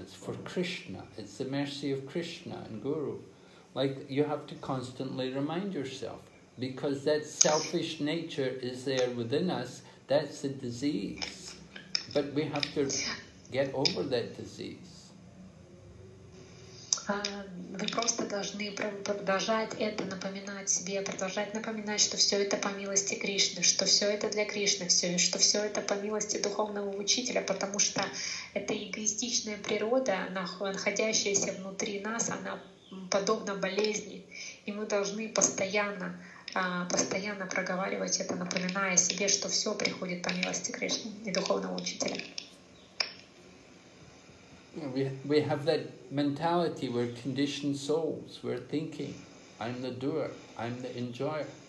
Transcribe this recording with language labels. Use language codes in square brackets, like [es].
[en] It's for Krishna. It's the mercy of Krishna and Guru. Like you have to constantly remind yourself. Because that selfish nature is there within us, that's the disease. But we have to get over that disease. [ru] Вы просто должны продолжать это напоминать себе, продолжать напоминать, что все это по милости Кришны, что все это для Кришны, все, что все это по милости духовного учителя, потому что эта эгоистичная природа, находящаяся внутри нас, она подобна болезни, и мы должны постоянно проговаривать это, напоминая себе, что все приходит по милости Кришны и духовного учителя. [en] We have that mentality, we're conditioned souls, we're thinking, I'm the doer, I'm the enjoyer.